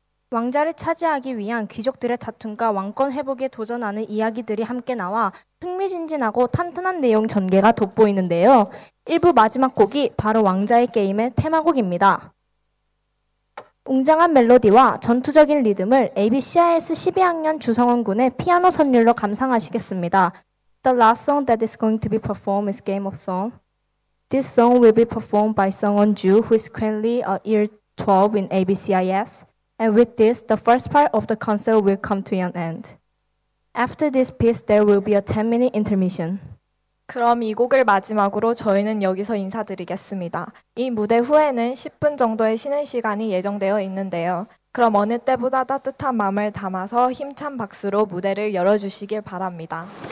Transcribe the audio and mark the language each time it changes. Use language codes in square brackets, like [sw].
[ko] 왕좌를 차지하기 위한 귀족들의 다툼과 왕권 회복에 도전하는 이야기들이 함께 나와 흥미진진하고 탄탄한 내용 전개가 돋보이는데요. 1부 마지막 곡이 바로 왕좌의 게임의 테마곡입니다. 웅장한 멜로디와 전투적인 리듬을 ABCIS 12학년 주성원 군의 피아노 선율로 감상하시겠습니다. [en] The last song that is going to be performed is Game of Song. This song will be performed by Seonghun Ju, who is currently a year 12 in ABCIS. And with this, the first part of the concert will come to an end. After this piece, there will be a 10-minute intermission. [ko] 그럼 이 곡을 마지막으로 저희는 여기서 인사드리겠습니다. 이 무대 후에는 10분 정도의 쉬는 시간이 예정되어 있는데요. 그럼 어느 때보다 따뜻한 마음을 담아서 힘찬 박수로 무대를 열어주시길 바랍니다.